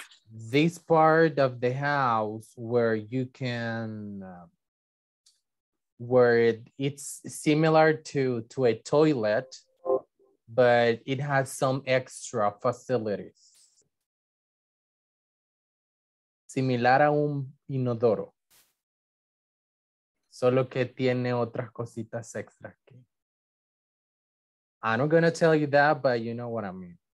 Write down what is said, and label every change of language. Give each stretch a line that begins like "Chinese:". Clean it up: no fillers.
English: This part of the house where you can, where it's similar to a toilet, but it has some extra facilities.
Spanish: Similar a un inodoro, solo que tiene otras cositas extras. Que...
English: I'm not going to tell you that, but you know what I mean.